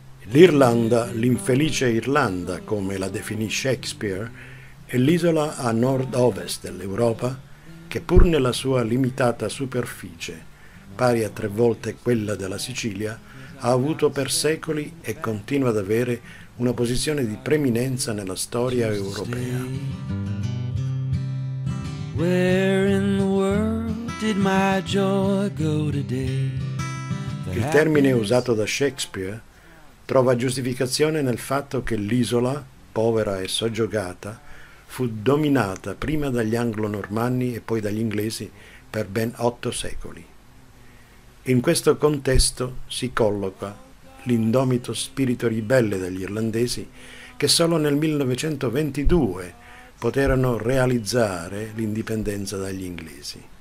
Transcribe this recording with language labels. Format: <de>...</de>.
<it>L'Irlanda, l'infelice Irlanda, come la definì Shakespeare, è l'isola a nord-ovest dell'Europa che, pur nella sua limitata superficie, pari a 3 volte quella della Sicilia, ha avuto per secoli e continua ad avere una posizione di preminenza nella storia europea.</it> <en>Where in the world did my joy go today?</en> <it>Il termine usato da Shakespeare trova giustificazione nel fatto che l'isola, povera e soggiogata, fu dominata prima dagli anglo-normanni e poi dagli inglesi per ben 8 secoli. In questo contesto si colloca l'indomito spirito ribelle degli irlandesi che solo nel 1922 poterono realizzare l'indipendenza dagli inglesi.</it>